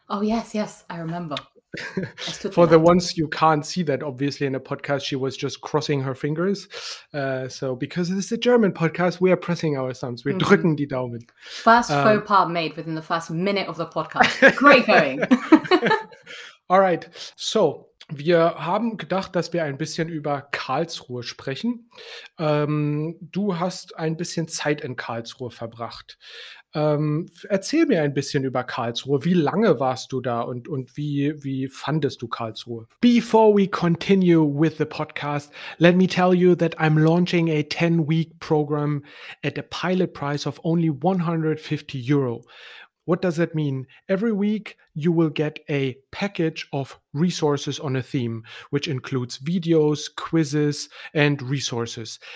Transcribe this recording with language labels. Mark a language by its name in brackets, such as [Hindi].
[English] Oh, yes, I remember. For the ones you can't see that, obviously, in a podcast, she was just crossing her fingers. So, because it's a German podcast, we are pressing our thumbs. [German] Wir drücken die Daumen. [English] First faux pas made within the first minute of the podcast. Great going. All right. [German] So, wir haben gedacht, dass wir ein bisschen über Karlsruhe sprechen. Du hast ein bisschen Zeit in Karlsruhe verbracht. Erzähl mir ein bisschen über Karlsruhe. Wie lange warst du da und wie fandest du Karlsruhe? [English] Before we continue with the podcast, let me tell you that I'm launching a 10-week program at a pilot price of only 150 euro. What does that mean? Every week you will get a package of resources on a theme, which includes videos, quizzes, and resources.